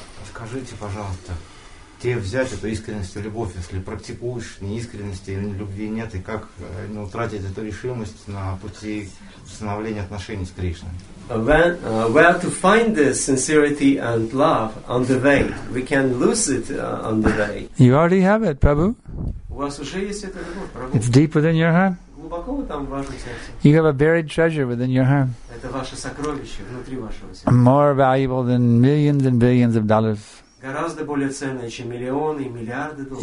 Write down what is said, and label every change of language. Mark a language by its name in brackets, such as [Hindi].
[Russian] Скажите, пожалуйста, где взять эту искренность и любовь, если практикуешь ни искренности, ни любви нет, и как утратить эту решимость на пути становления отношений с Кришной? [English] Where to find the sincerity and love on the way? We can lose it on the way. You already have it, Prabhu. [Russian] У вас уже есть эта любовь, Прабху. [English] It's deep within your heart. [Russian] Глубоко там в вашем сердце. [English] You have a buried treasure within your heart. [Russian] Это ваше сокровище внутри вашего сердца. [English] More valuable than millions and billions of dollars. [Russian] Гораздо более ценное, чем миллионы и миллиарды долларов.